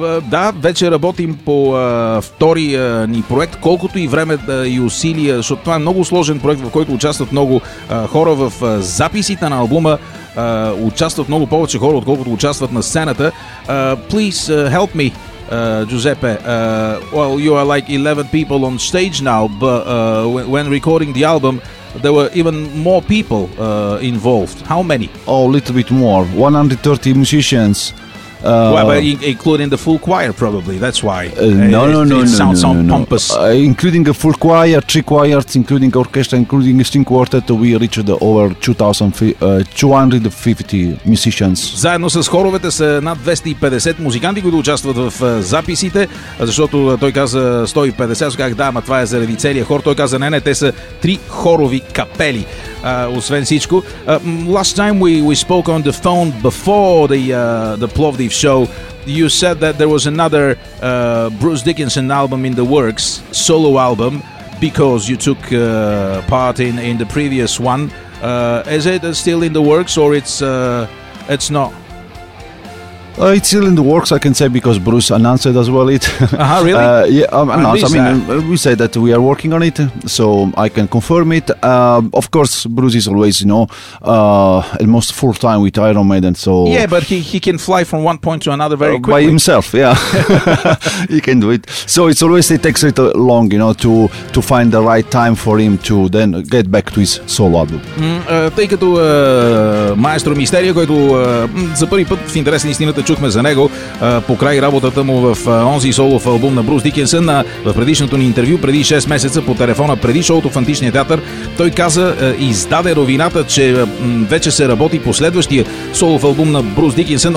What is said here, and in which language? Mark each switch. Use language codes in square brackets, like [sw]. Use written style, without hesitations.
[bg] Да, вече работим по втория ни проект. Колкото и време и усилия, защото това е много сложен проект, в който участват много хора в записите на албума. Участват много повече хора, отколкото участват на сцената. [en] Please help me, Giuseppe. Well, you are like 11 people on stage now, but when recording the album, there were even more people involved. How many? Oh, a little bit more. 130 musicians. Well, but including the full choir, probably. That's why. No, it sounds pompous. Including a full choir, three choirs, including orchestra, including a string quartet, we reached over 250 musicians. [bg] Заедно с хоровете са над 250 музиканти, които участват в записите, защото той каза 150, сега казах, да, ама това е заради целия хор. Той каза, не, те са три хорови капели. Освен всичко, [en] last time we spoke on the phone before the Plovdiv show, you said that there was another Bruce Dickinson album in the works, solo album, because you took part in the previous one. Is it still in the works or it's not? It's still in the works, I can say, because Bruce announced it as well. Really? We said that we are working on it, so I can confirm it. Of course, Bruce is always, almost full time with Iron Maiden. So yeah, but he can fly from one point to another very quickly. By himself, yeah. He can do it. So it's always, it takes a little long, to find the right time for him to then get back to his solo album. [bg] Тъй като Маестро Мистерия, който за първи път в интерес на истината чухме за него по край работата му в онзи солов албум на Брус Дикинсън. В предишното ни интервю, преди 6 месеца по телефона, преди шоуто в Античния театър, той каза, издаде новината, че вече се работи по следващия солов албум на Брус Дикинсън.